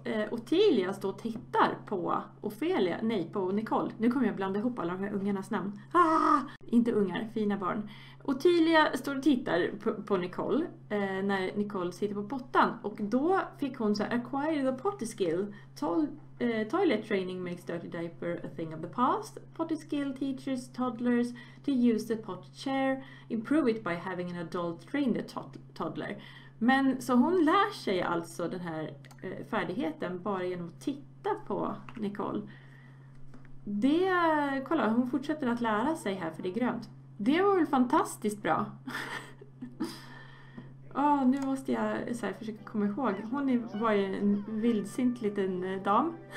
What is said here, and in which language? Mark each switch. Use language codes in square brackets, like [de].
[sv] Ottilia står och tittar på Ofelia, nej på Nicole. Nu kommer jag blanda ihop alla de här ungarnas namn. Ah, inte ungar, fina barn. Ottilia står och tittar på Nicole när Nicole sitter på pottan. Och då fick hon så här, [en] acquire the potty skill. Toilet training makes dirty diaper a thing of the past. Potty skill teaches toddlers to use the potty chair. Improve it by having an adult train the toddler. [sv] Men så hon lär sig alltså den här färdigheten bara genom att titta på Nicole. Det, kolla, hon fortsätter att lära sig här för det är grönt. Det var väl fantastiskt bra. Oh, nu måste jag så här, försöka komma ihåg. Hon var ju en vildsint liten dam.